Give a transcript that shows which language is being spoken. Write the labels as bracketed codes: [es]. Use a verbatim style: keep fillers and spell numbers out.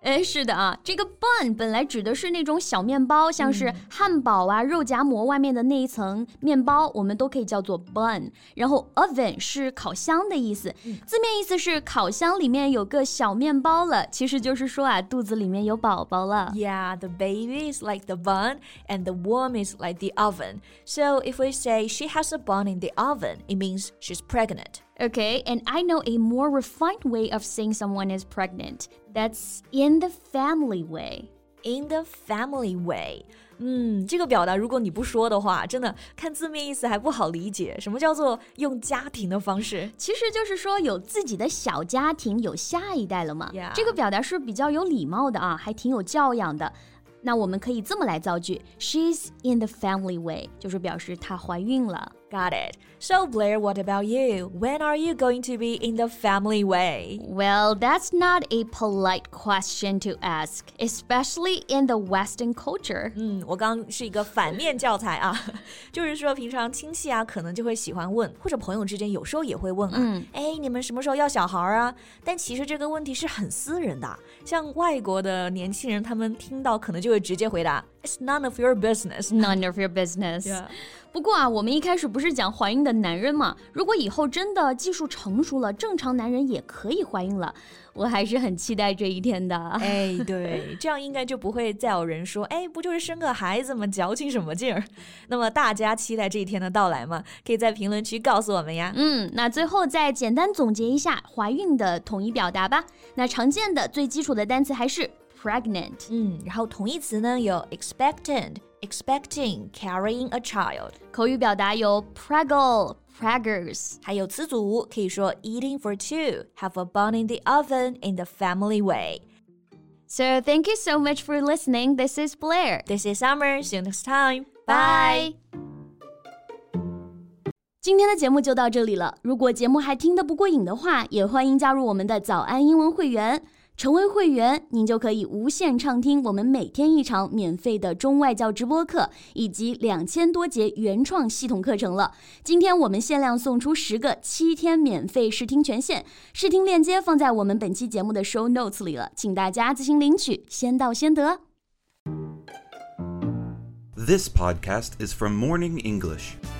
[zh] 哎，是的啊这个 bun 本来指的是那种小面包像是汉堡啊肉夹馍外面的那一层面包我们都可以叫做 bun 然后 oven 是烤箱的意思、嗯、字面意思是烤箱里面有个小面包了其实就是说啊肚子里面有宝宝了 [en] Yeah, the baby is like the bun and the worm is like the oven So if we say she has a bun in the oven it means she's pregnant Okay, and I know a more refined way of saying someone is pregnant. That's in the family way. In the family way. [zh] 嗯，这个表达如果你不说的话，真的看字面意思还不好理解。什么叫做用家庭的方式？其实就是说有自己的小家庭，有下一代了嘛。 Yeah. 这个表达是比较有礼貌的啊，还挺有教养的。那我们可以这么来造句 [en] She's in the family way [zh] 就是表示她怀孕了 [en] Got it So Blair, what about you? When are you going to be in the family way? Well, that's not a polite question to ask Especially in the Western culture [zh] 嗯，我刚是一个反面教材啊就是说平常亲戚啊可能就会喜欢问或者朋友之间有时候也会问啊、嗯、哎，你们什么时候要小孩啊但其实这个问题是很私人的像外国的年轻人他们听到可能就会直接回答 [en] It's none of your business None of your business、yeah. [zh] 不过啊我们一开始不是讲怀孕的男人嘛如果以后真的技术成熟了正常男人也可以怀孕了我还是很期待这一天的哎，对这样应该就不会再有人说哎，不就是生个孩子吗矫情什么劲儿那么大家期待这一天的到来吗可以在评论区告诉我们呀嗯，那最后再简单总结一下怀孕的统一表达吧那常见的最基础的单词还是pregnant 嗯，然后同义词呢有 expectant, expecting, carrying a child 口语表达有 preggo, preggers 还有词组可以说 [en] eating for two, have a bun in the oven in the family way So thank you so much for listening, this is Blair This is Summer, see you next time, bye, bye. [zh] 今天的节目就到这里了如果节目还听得不过瘾的话也欢迎加入我们的早安英文会员成为会员您就可以无限畅听我们每天一场免费的中外教直播课以及两千多节原创系统课程了今天我们限量送出十个七天免费试听权限试听链接放在我们本期节目的 show notes 里了请大家自行领取先到先得 [en] This podcast is from Morning English